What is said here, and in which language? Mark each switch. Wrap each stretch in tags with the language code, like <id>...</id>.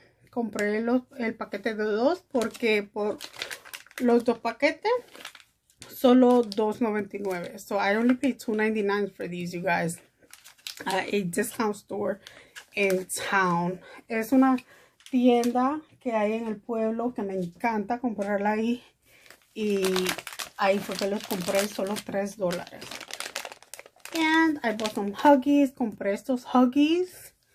<es>Compré el paquete de dos porque por los dos paquetes solo $2.99.</es> <en>So I only paid $2.99 for these, you guys. At a discount store in town.</en> <es>Es una tienda que hay en el pueblo que me encanta comprarla ahí. Y ahí fue que los compré solo $3.</es> <en>And I bought some Huggies.</en> <es>Compré estos Huggies.</es>